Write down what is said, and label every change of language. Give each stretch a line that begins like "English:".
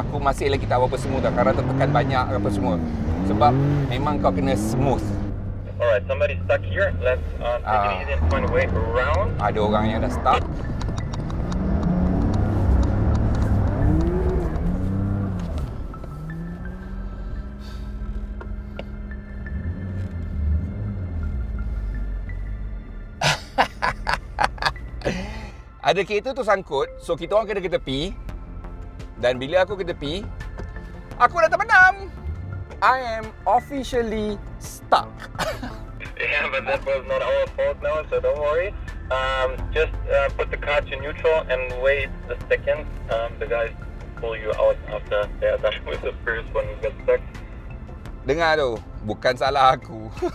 Malay: Aku masih lagi tak apa-apa semua dah, kerana tertekan banyak apa semua. Sebab memang kau kena smooth.
English: Alright, somebody stuck here. Let's take it easy and find a way around.
Malay: Ada orang yang dah stuck. Ada kereta tu sangkut, so kita orang kena ke tepi. Dan bila aku ke tepi, aku dah terbenam.
English: I am officially stuck. Yeah, but that was not our fault now, so don't worry. Just put the car to neutral and wait a second. The guys pull you out of the dash with the first one you get stuck.
Malay: Dengar tu, bukan salah aku.